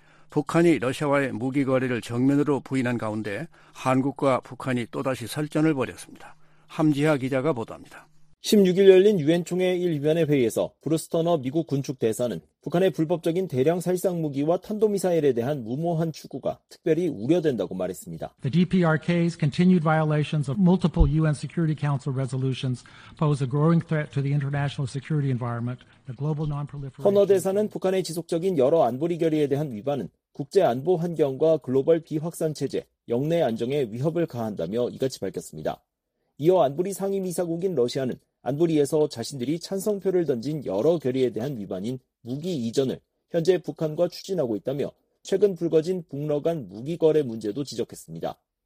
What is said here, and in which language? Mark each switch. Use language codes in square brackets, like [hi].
[ko] 북한이 러시아와의 무기 거래를 정면으로 부인한 가운데 한국과 북한이 또다시 설전을 벌였습니다. 함지하 기자가 보도합니다. 16일 열린 유엔총회 1위원회 회의에서 브루스터너 미국 군축대사는 북한의 불법적인 대량 살상무기와 탄도미사일에 대한 무모한 추구가 특별히 우려된다고 말했습니다. [en] The DPRK's continued violations of multiple UN Security Council resolutions pose a growing threat to the international security environment. The global non-proliferation. [ko] 허너 대사는 북한의 지속적인 여러 안보리 결의에 대한 위반은 국제 안보 환경과 글로벌 비확산 체제, 영내 안정에 위협을 가한다며 이같이 밝혔습니다. 이어 안보리 상임이사국인 러시아는 안보리에서 자신들이 찬성표를 던진 여러 결의에 대한 위반인 무기 이전을 현재 북한과 추진하고 있다며 최근 불거진 북러 간 무기 거래 문제도 지적했습니다.